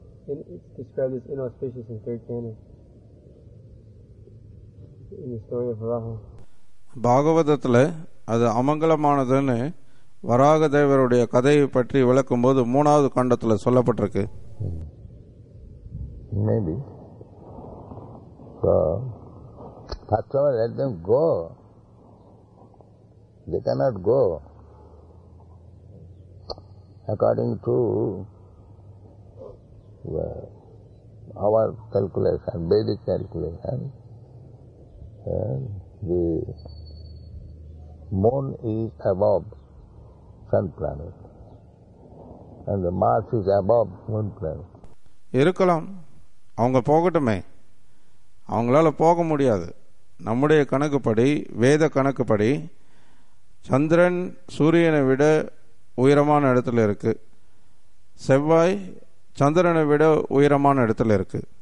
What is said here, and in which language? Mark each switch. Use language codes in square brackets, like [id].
[en] It's described as inauspicious in third canon, in the story of Varaha. [ta] பாகவதத்திலே அது அமங்கலமானதுன்னு வராக தேவருடைய கதையை பற்றி விளக்கும் போது 3rd கண்டத்துல சொல்லப்பட்டிருக்கு. [en] Maybe. So, first of all, let them go. They cannot go. According to our calculation, basic calculation, the moon is above sun planet and the Mars is above moon planet. [ta] இருக்கலாம், அவங்க போகட்டுமே, அவங்களால போக முடியாது. நம்முடைய கணக்குப்படி, வேத கணக்குப்படி, சந்திரன் சூரியனை விட உயரமான இடத்துல இருக்கு, செவ்வாய் சந்திரனை விட உயரமான இடத்துல இருக்கு.